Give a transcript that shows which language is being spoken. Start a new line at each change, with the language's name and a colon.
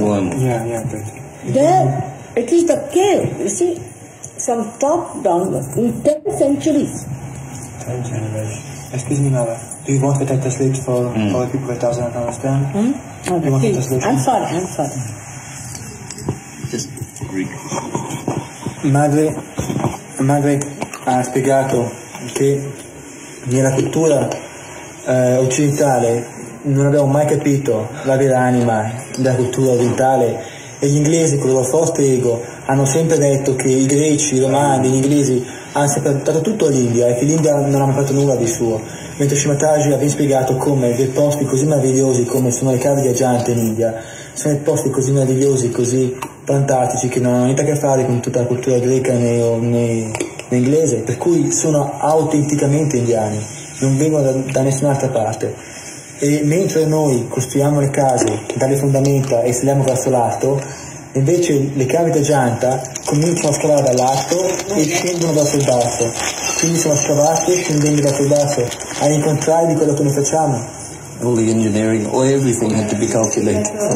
English: That's one. There, it is the cave, you see, from top downwards, in 10 centuries. 10 generations. Excuse me, Mara. Do you want to translate for all the people that doesn't understand? I'm sorry. Just Greek.
Italian: Madre ha spiegato che nella cultura occidentale non abbiamo mai capito la vera anima della cultura orientale, e gli inglesi con il loro forte ego hanno sempre detto che i greci, i romani, gli inglesi hanno sempre portato tutto all'India e che l'India non ha mai fatto nulla di suo. Mentre Shri Mataji ha ben spiegato come dei posti così meravigliosi come sono le cave di Ajanta in India sono dei posti così meravigliosi, così fantastici, che non hanno niente a che fare con tutta la cultura greca né inglese, per cui sono autenticamente indiani, non vengono da nessun'altra parte. E mentre noi costruiamo le case dalle fondamenta e saliamo verso l'alto, invece le cave di Ajanta cominciano a scavare dall'alto e scendono verso il basso. Quindi sono scavate scendendo verso il basso, a incontrare di quello che noi facciamo.
English: All the engineering, all everything had to be calculated.